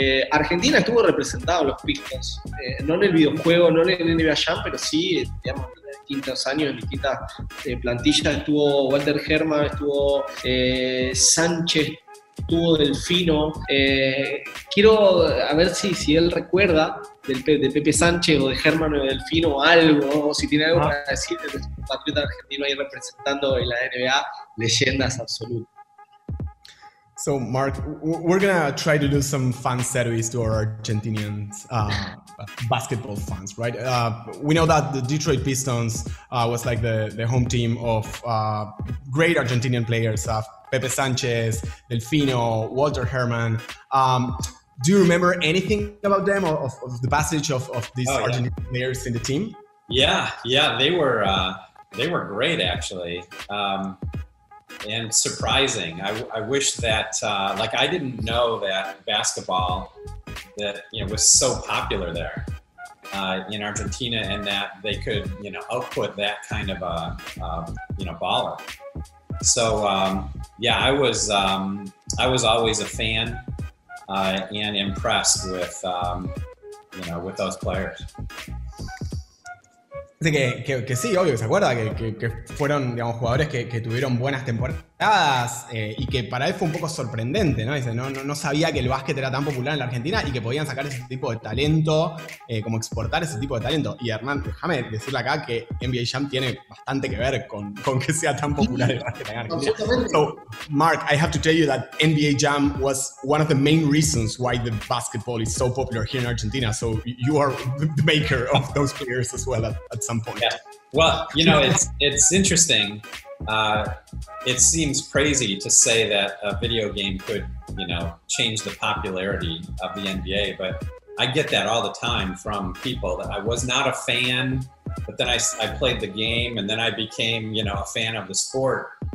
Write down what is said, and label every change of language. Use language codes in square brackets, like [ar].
[es] Argentina estuvo representado en los Pistons, no en el videojuego, no en el NBA Jam, pero sí, digamos, distintos años, en distintas plantillas, estuvo Walter Herman, estuvo Sánchez, estuvo Delfino. Quiero a ver si él recuerda de Pepe Sánchez o de Herman o de Delfino o algo, o si tiene algo para decir de nuestro compatriota argentino ahí representando en la NBA, leyendas absolutas. [en] So, Mark, we're going to try to do some fan service to our Argentinian basketball fans, right? We know that the Detroit Pistons was like the home team of great Argentinian players, Pepe Sánchez, Delfino, Walter Herman. Do you remember anything about them or of the passage of these Argentinian players in the team? Yeah, they were great, actually. And surprising. I wish that, I didn't know that basketball was so popular there in Argentina, and that they could, you know, output that kind of a baller. So, I was always a fan and impressed with, with those players. [es] Que sí, obvio, ¿se acuerda? Que fueron, digamos, jugadores que tuvieron buenas temporadas y que para él fue un poco sorprendente, ¿no? Dice, no sabía que el básquet era tan popular en la Argentina y que podían sacar ese tipo de talento, como exportar ese tipo de talento. Y Hernán, déjame decirle acá que NBA Jam tiene bastante que ver con que sea tan popular el básquet en Argentina. [en] So, Mark, I have to tell you that NBA Jam was one of the main reasons why the basketball is so popular here in Argentina. So you are the maker of those players as well at some point. Yeah. Well, you know, it's interesting. It seems crazy to say that a video game could, you know, change the popularity of the NBA, but I get that all the time from people that I was not a fan, but then I played the game and then I became, you know, a fan of the sport.